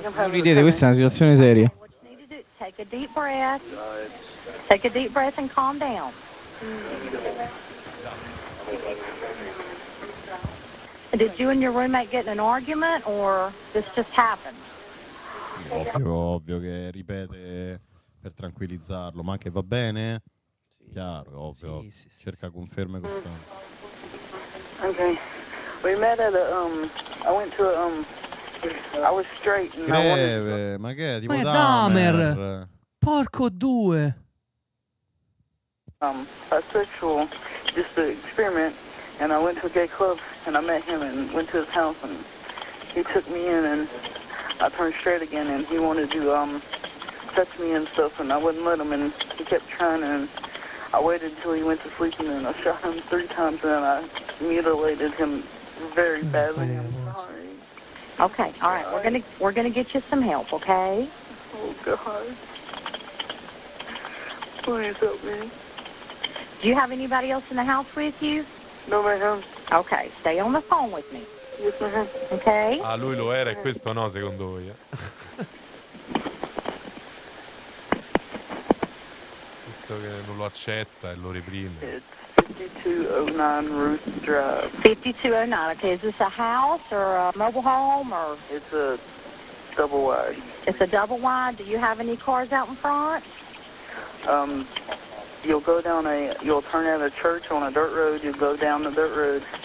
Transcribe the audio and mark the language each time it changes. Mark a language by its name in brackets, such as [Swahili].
[Italian] Ridete, questa è una situazione seria. [English] Take a deep breath. Take a deep breath and calm down. Did you and your roommate get in an argument or this just happened? [Italian] Ovvio che ripete per tranquillizzarlo, ma anche va bene? Sì. Chiaro, ovvio. Sì, sì, sì. Cerca conferme costanti. [English] Okay. We met at a I went to a I was straight and greve, I [Italian] ma che è? Tipo ma è Dahmer. Porco due. [English] A sexual, just to experiment, and I went to a gay club and I met him and went to his house and he took me in and I turned straight again and he wanted to touch me and stuff and I wouldn't let him and he kept trying and I waited until he went to sleep and then I shot him 3 times and then I mutilated him very badly. I'm sorry. Okay, all right. We're gonna get you some help, okay? Oh God. Please help me. Do you have anybody else in the house with you? No, ma'am. Okay, stay on the phone with me. Yes, ma'am. Okay. [Italian] Ah, lui lo era e questo no, secondo voi? Tutto che non lo accetta e lo reprime. [English] It's 5209 Ruth Drive. 5209. Okay, is this a house or a mobile home or? It's a double wide. It's a double wide. Do you have any cars out in front? You'll go down you'll turn at a church on a dirt road. You'll go down the dirt road.